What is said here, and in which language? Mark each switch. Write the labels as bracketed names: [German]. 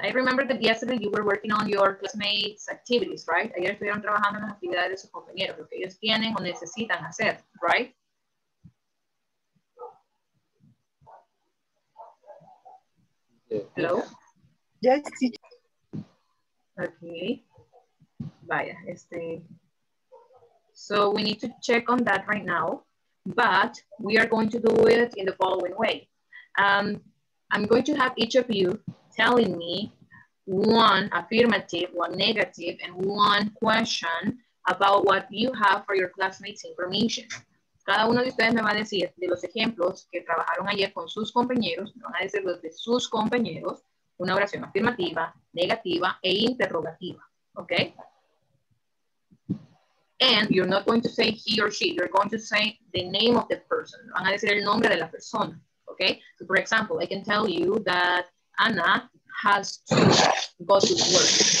[English] I remember that yesterday you were working on your classmates' activities, right? [Spanish] Ayer estuvieron trabajando en las actividades de sus compañeros, lo que ellos tienen o necesitan hacer, right? [English] Hello? Yes, sí. [Spanish] Okay. Vaya, este. [English] So we need to check on that right now, but we are going to do it in the following way. I'm going to have each of you telling me one affirmative, one negative, and one question about what you have for your classmates' information. [Spanish] Cada uno de ustedes me va a decir de los ejemplos que trabajaron ayer con sus compañeros, me van a decir los de sus compañeros, una oración afirmativa, negativa e interrogativa, okay? [English] And you're not going to say he or she, you're going to say the name of the person. [Spanish] Van a decir el nombre de la persona, okay? [English] So for example, I can tell you that Anna has to go to work.